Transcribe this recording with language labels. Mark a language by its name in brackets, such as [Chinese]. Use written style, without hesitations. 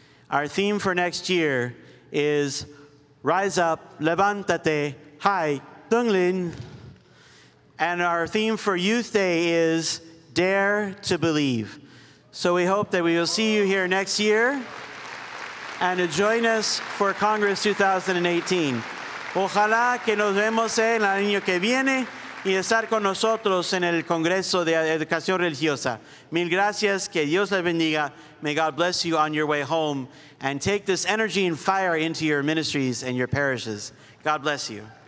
[English] Our theme for next year is Rise Up, [Spanish] Levántate, [English] Hai, Tunglin. And our theme for Youth Day is Dare to Believe. So we hope that we will see you here next year and to join us for Congress 2018. [Spanish] Ojalá que nos vemos el año que viene y estar con nosotros en el Congreso de Educación Religiosa. Mil gracias, que Dios les bendiga. [English] May God bless you on your way home and take this energy and fire into your ministries and your parishes. God bless you.